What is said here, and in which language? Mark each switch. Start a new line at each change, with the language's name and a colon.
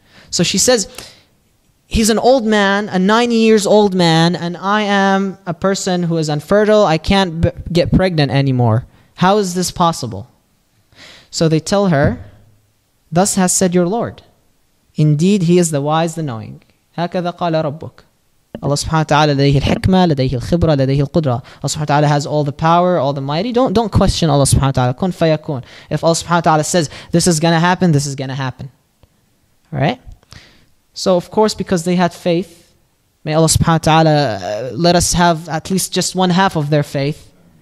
English: So she says, "He's an old man, a 90 years old man, and I am a person who is infertile. I can't get pregnant anymore. How is this possible?" So they tell her, "Thus has said your Lord. Indeed, he is the wise, the knowing."
Arabic: هكذا قال ربك.
English: Allah subhanahu wa ta'ala
Arabic: لديه الحكمة لديه الخبرة لديه القدرة.
English: Allah subhanahu wa ta'ala has all the power, all the mighty. Don't question Allah subhanahu wa ta'ala.
Arabic: كن فيكون.
English: If Allah subhanahu wa ta'ala says, this is going to happen, this is going to happen. All right? So of course, because they had faith, may Allah subhanahu wa ta'ala let us have at least just one half of their faith.